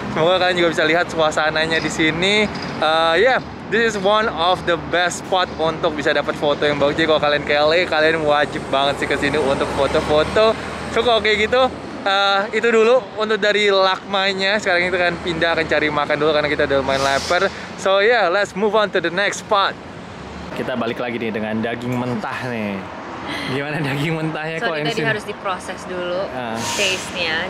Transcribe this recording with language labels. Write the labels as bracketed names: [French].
[Indonesian] Semoga kalian juga bisa lihat suasananya di sini. [English] Yeah, this is one of the best spot [Indonesian] untuk bisa dapat foto yang bagus. Jadi kalau kalian ke LA, kalian wajib banget sih ke sini untuk foto-foto. So, kalau kayak gitu, itu dulu untuk dari Lakmanya. Sekarang kita akan pindah, akan cari makan dulu karena kita udah lumayan lapar. [English] So yeah, let's move on to the next spot. [Indonesian] Kita balik lagi nih dengan daging mentah nih. Gimana daging mentahnya? So, ini tadi harus diproses dulu taste-nya.